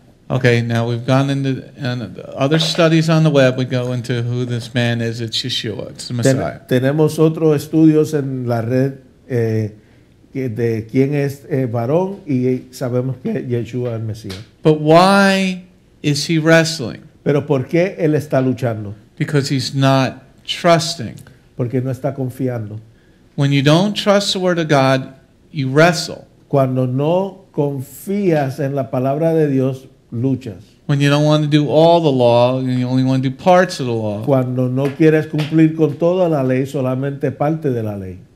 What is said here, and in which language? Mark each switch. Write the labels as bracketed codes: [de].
[en] Okay, now we've gone into other studies on the web. We go into who this man is. It's Yeshua. It's the Messiah. [es] Tenemos otros estudios en la red de quién es varón y sabemos que Yeshua es el Mesías. [en] But why is he wrestling? [es] Pero ¿por qué él está luchando? [en] Because he's not trusting. [es] Porque no está confiando. [en] When you don't trust the word of God, you wrestle. [es] Cuando no confías en la palabra de Dios, luchas. [en] When you don't want to do all the law and you only want to do parts of the law. [es] Cuando no quieres cumplir con toda la ley, solamente parte de la ley.